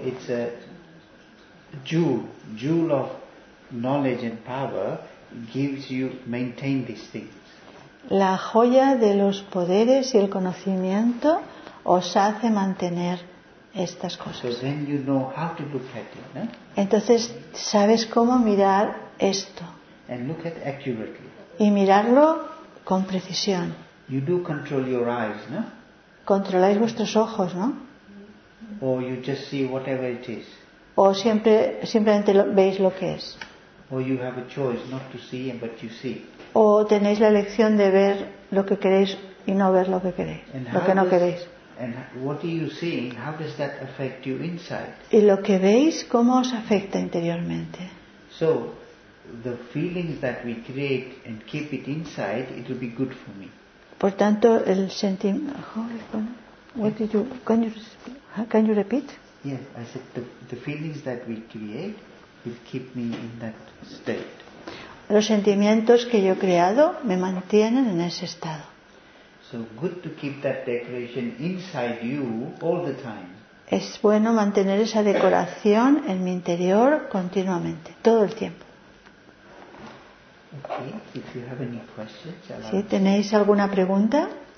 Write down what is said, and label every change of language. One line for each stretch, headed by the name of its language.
English: It's a jewel of knowledge and power gives you maintain these things.
Spanish: La joya de los poderes y el conocimiento os hace mantener estas cosas.
English: So then you know how to look at it, no?
Spanish: Entonces sabes cómo mirar esto.
English: And look at accurately.
Spanish: Y mirarlo con precisión.
English: You do control your eyes, no?
Spanish: Controláis vuestros ojos, ¿no?
English: Or you just see whatever it is.
Spanish: O simplemente veis lo que es.
English: Or you have a choice not to see but you see.
Spanish: O tenéis la elección de ver lo que queréis y no ver lo que queréis, lo que no queréis.
English: And what are you seeing? How does that affect you inside?
Spanish: Y lo que veis, ¿cómo os afecta interiormente?
English: So, the feelings that we create and keep it inside, it will be good for me.
Spanish: Por tanto, el sentimiento.
English: What did you? Can you repeat? Yes, I said the feelings that we create will keep me in that state.
Spanish: Los sentimientos que yo he creado me mantienen en ese estado.
English: So good to keep that decoration inside you all the time.
Spanish: Es bueno mantener esa decoración en mi interior continuamente, todo el tiempo.
English: Okay, if you have any questions, I'll
Spanish: ¿sí, tenéis alguna pregunta?